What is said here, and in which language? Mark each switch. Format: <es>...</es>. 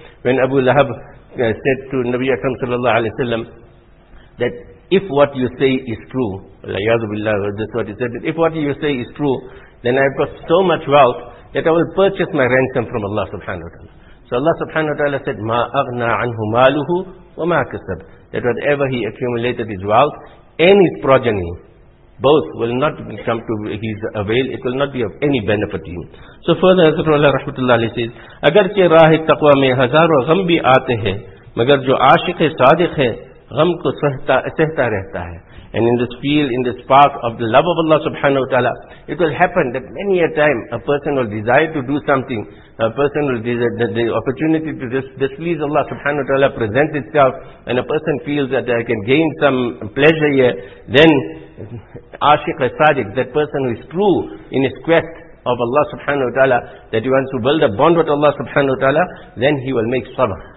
<en>When Abu Lahab said to Nabi Akram sallallahu alayhi wa sallam that if what you say is true, Allahu Akbar, this is what he said, that if what you say is true, then I've got so much wealth that I will purchase my ransom from Allah subhanahu wa ta'ala.</en> <ar>So Allah subhanahu wa ta'ala said, مَا أَغْنَى عَنْهُ مَالُهُ وَمَا كَسَبْ.</ar> <en>That whatever he accumulated his wealth and his progeny, both will not come to his avail, it will not be of any benefit to him. So further, Hazrat Wala rahmatullah alayhi says,</en> <ur>اگرچہ راہِ تقوی میں ہزاروں غم بھی آتے ہیں مگر جو عاشقِ صادق ہے غم کو سہتا رہتا ہے.</ur> <en>And in this field, in this path of the love of Allah subhanahu wa ta'ala, it will happen that many a time a person will desire to do something, a person will desire that the opportunity to displease Allah subhanahu wa ta'ala presents itself, and a person feels that I can gain some pleasure here, then Ashiq al-Sadiq, that person who is true in his quest of Allah subhanahu wa ta'ala, that he wants to build a bond with Allah subhanahu wa ta'ala, then he will make sabr.</en>